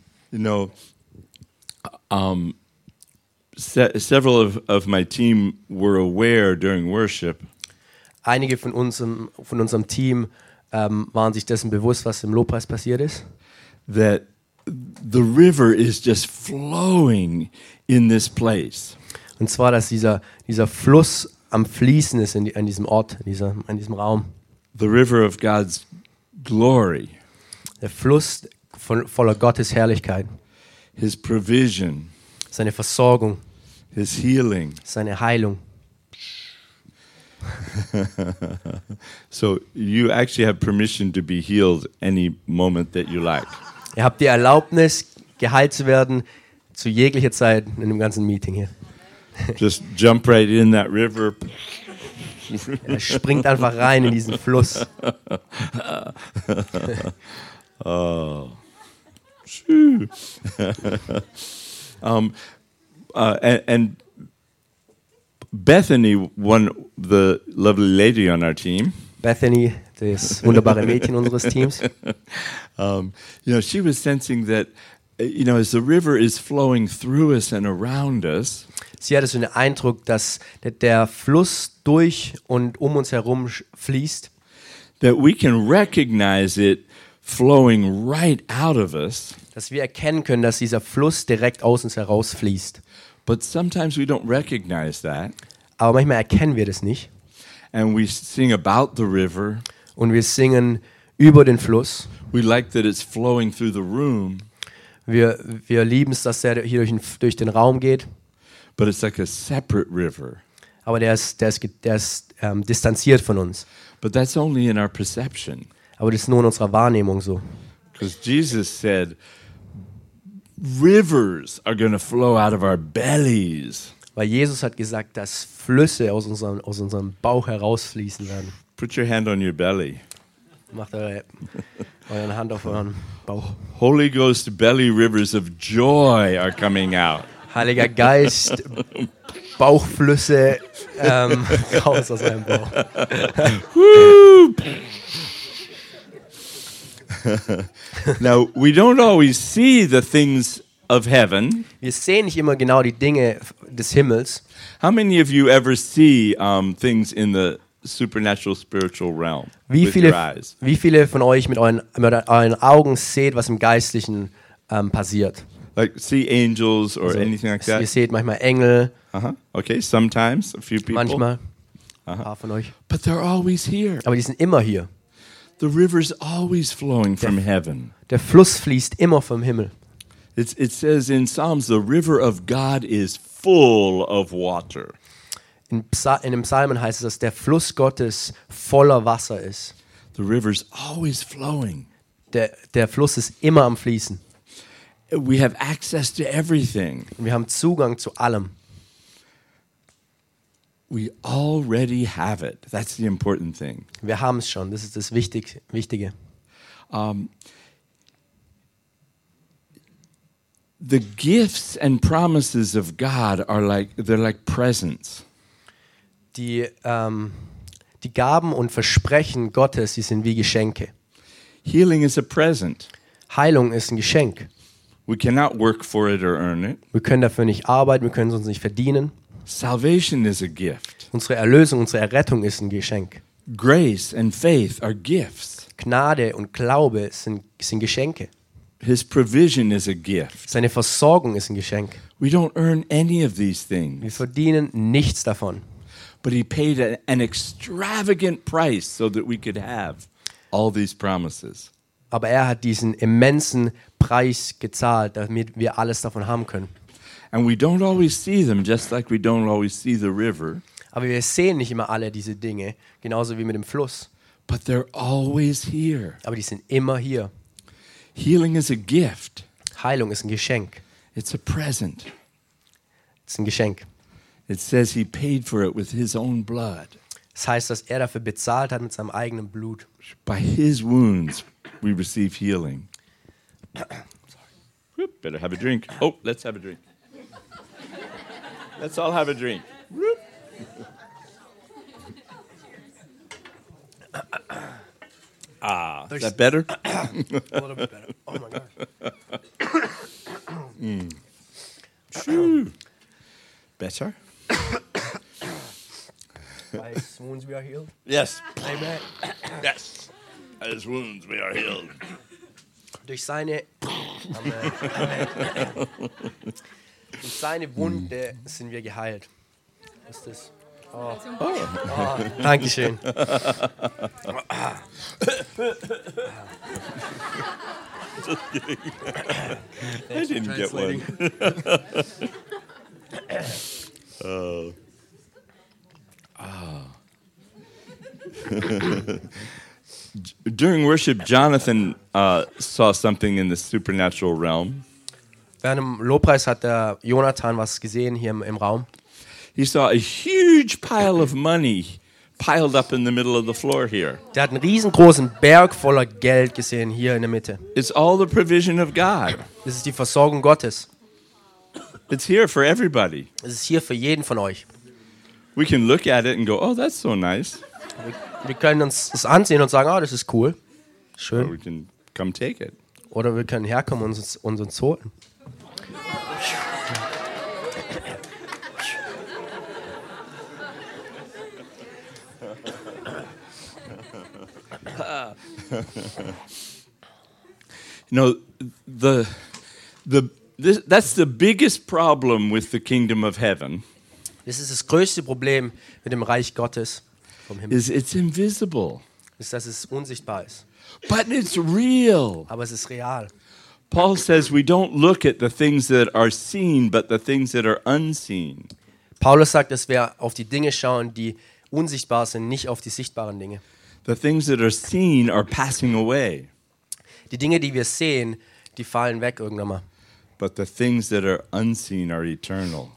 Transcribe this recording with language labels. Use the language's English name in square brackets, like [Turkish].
[English] You know, several of my team were aware during worship. [German] Einige von unserem Team waren sich dessen bewusst, was im Lobpreis passiert ist. [English] That the river is just flowing in this place. [German] Und zwar, dass dieser Fluss am Fließen ist in diesem Ort, in diesem Raum. [English] The river of God's glory. [German] Der Fluss voller Gottes Herrlichkeit. [English] His provision. [German] Seine Versorgung. [English] His healing. [German] Seine Heilung. [English] So you actually have permission to be healed any moment that you like. [German] Ihr habt die Erlaubnis, geheilt zu werden, zu jeglicher Zeit in dem ganzen Meeting hier. [English] Just jump right in that river. [German] Er springt einfach rein in diesen Fluss. Oh. [English] And Bethany, one the lovely lady on our team. [German] Bethany, das wunderbare Mädchen unseres Teams. [English] You know, she was sensing that, you know, as the river is flowing through us and around us. [German] Sie hatte so den Eindruck, dass der Fluss durch und um uns herum fließt. [English] That we can recognize it flowing right out of us. [German] Dass wir erkennen können, dass dieser Fluss direkt aus uns heraus fließt. [English] But sometimes we don't recognize that. [German] Aber manchmal erkennen wir das nicht. [English] And we sing about the river. [German] Und wir singen über den Fluss. [English] We like that it's flowing through the room. [German] Wir lieben es, dass hier durch den Raum geht. [English] But it's like a separate river. [German] Aber der ist distanziert von uns. [English] But that's only in our perception. [German] Aber das ist nur in unserer Wahrnehmung so. [English] Because Jesus said, rivers are going to flow out of our bellies. [German] Weil Jesus hat gesagt, dass Flüsse aus unserem Bauch herausfließen werden. [English] Put your hand on your belly. [German] Macht eure Hand auf euren Bauch. [English] Holy Ghost belly rivers of joy are coming out. [German] Heiliger Geist, Bauchflüsse raus aus deinem Bauch. [English] Now we don't always see the things of heaven. [German] Wir sehen nicht immer genau die Dinge des Himmels. [English] How many of you ever see things in the supernatural spiritual realm? [German] Wie viele von euch mit euren Augen seht, was im Geistlichen passiert? [English] Like see angels or also, anything like that. [German] Ihr seht manchmal Engel. Uh-huh. [English] Okay, sometimes a few people. [German] Manchmal. Uh-huh. Ein paar von euch. [English] But they're always here. [German] Aber die sind immer hier. [English] The river's always flowing from heaven. [German] Der Fluss fließt immer vom Himmel. [English] It says in Psalms, the river of God is full of water. [German] In dem Psalmen heißt es, dass der Fluss Gottes voller Wasser ist. [English] The river's always flowing. [German] Der Fluss ist immer am Fließen. [English] We have access to everything. [German] Wir haben Zugang zu allem. [English] We already have it. That's the important thing. [German] Wir haben es schon. Das ist das Wichtige. [English] The gifts and promises of God are like they're like presents. [German] Die Gaben und Versprechen Gottes, die sind wie Geschenke. [English] Healing is a present. [German] Heilung ist ein Geschenk. [English] We cannot work for it or earn it. [German] Wir können dafür nicht arbeiten. Wir können es uns nicht verdienen. [English] Salvation is a gift. [German] Unsere Erlösung, unsere Errettung ist ein Geschenk. [English] Grace and faith are gifts. [German] Gnade und Glaube sind Geschenke. [English] His provision is a gift. [German] Seine Versorgung ist ein Geschenk. [English] We don't earn any of these things. [German] Wir verdienen nichts davon. [English] But he paid an extravagant price so that we could have all these promises. [German] Aber er hat diesen immensen Preis gezahlt, damit wir alles davon haben können. [English] And we don't always see them, just like we don't always see the river. [German] Aber wir sehen nicht immer alle diese Dinge, genauso wie mit dem Fluss. [English] But they're always here. [German] Aber die sind immer hier. [English] Healing is a gift. [German] Heilung ist ein Geschenk. [English] It's a present. [German] Es ist ein Geschenk. [English] It says he paid for it with his own blood. [German] Das heißt, dass er dafür bezahlt hat mit seinem eigenen Blut. [English] By his wounds we receive healing. Sorry. Whoop, better have a drink. Oh, let's have a drink. Let's all have a drink. Whoop. Ah, is that better? A little bit better. Oh, my God. Better? By his wounds we are healed? Yes. Amen. Yes. By his wounds we are healed. [German] Durch seine... Durch seine Wunde sind wir geheilt. Ist das... Oh. Oh. Oh, danke schön. [English] Just kidding. I didn't get one. During worship, Jonathan saw something in the supernatural realm. [German] Während im Lobpreis hat der Jonathan was gesehen hier im Raum. [English] He saw a huge pile of money piled up in the middle of the floor here. [German] Der hat einen riesengroßen Berg voller Geld gesehen hier in der Mitte. [English] It's all the provision of God. [German] Das ist die Versorgung Gottes. [English] It's here for everybody. [German] Es ist hier für jeden von euch. [English] We can look at it and go, oh, that's so nice. [German] Wir können uns das ansehen und sagen, oh, das ist cool. Schön. [English] Or we can come take it. [German] Oder wir können herkommen und uns holen. [English] You know, that's the biggest problem with the kingdom of heaven. [German] Das ist das größte Problem mit dem Reich Gottes vom Himmel. [English] Is it's invisible. [German] Ist, dass es unsichtbar ist. [English] But it's real. [German] Aber es ist real. [English] Paul says we don't look at the things that are seen, but the things that are unseen. [German] Paulus sagt, dass wir auf die Dinge schauen, die unsichtbar sind, nicht auf die sichtbaren Dinge. [English] The things that are seen are passing away. [German] Die Dinge, die wir sehen, die fallen weg irgendwann mal. [English] But the things that are unseen are eternal.